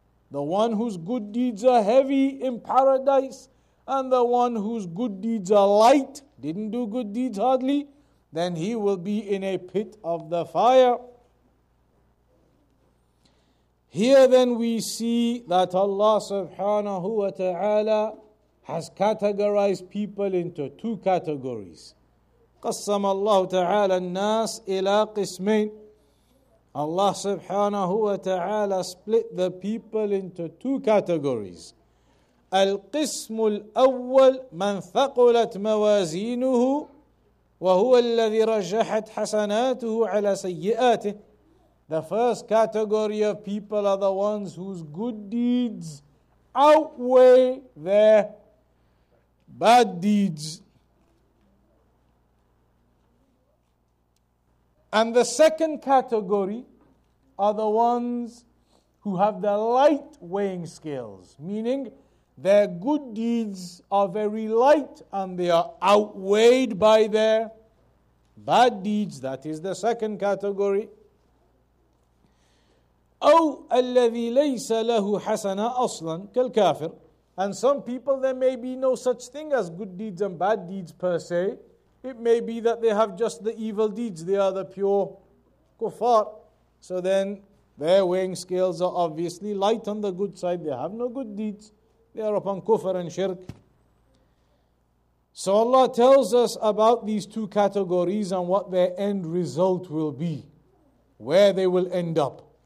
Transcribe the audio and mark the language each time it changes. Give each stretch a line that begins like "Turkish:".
English: The one whose good deeds are heavy in paradise, and the one whose good deeds are light, didn't do good deeds hardly, then he will be in a pit of the fire. Here then we see that Allah subhanahu wa ta'ala has categorized people into two categories.
Arabic: قسم الله تعالى الناس إلى قسمين.
English: Allah subhanahu wa ta'ala split the people into two categories.
Arabic: القسم الأول من ثقلت موازينه وهو الذي رجحت حسناته على سيئاته.
English: The first category of people are the ones whose good deeds outweigh their bad deeds. And the second category are the ones who have the light weighing scales, meaning their good deeds are very light and they are outweighed by their bad deeds. That is the second category.
Arabic: أو الذي ليس له حسنة أصلا كالكافر.
English: And some people, there may be no such thing as good deeds and bad deeds per se. It may be that they have just the evil deeds. They are the pure kuffar. So then their weighing scales are obviously light on the good side. They have no good deeds. They are upon kufr and shirk. So Allah tells us about these two categories and what their end result will be, where they will end up.